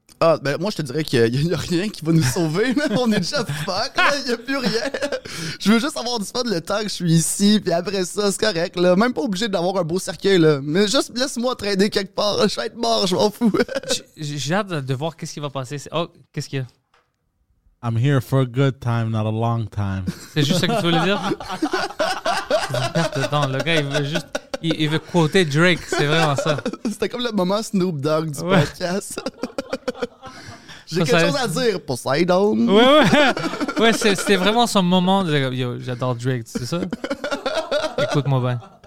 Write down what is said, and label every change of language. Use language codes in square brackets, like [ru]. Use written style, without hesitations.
[fr] Ah, ben moi, je te dirais qu'il n'y a rien qui va nous sauver. On est déjà fuck. Il n'y a plus rien. Je veux juste avoir du fun le temps que je suis ici. Puis après ça, c'est correct. Là. Même pas obligé d'avoir un beau cercueil. Là. Mais juste laisse-moi traîner quelque part. Je vais être mort, je m'en fous. J'ai hâte de voir qu'est-ce qui va passer. Oh, qu'est-ce qu'il y a? [en] I'm here for a good time, not a long time. [fr] C'est juste ce que tu voulais dire? C'est une perte de temps. Le gars, il veut juste... Il veut quoter Drake, c'est vraiment ça. C'était comme le moment Snoop Dogg du podcast. J'ai quelque chose à dire, Poseidon. Ouais, ouais. Ouais, c'était vraiment son moment. Yo, j'adore Drake, c'est ça? Écoute-moi bien.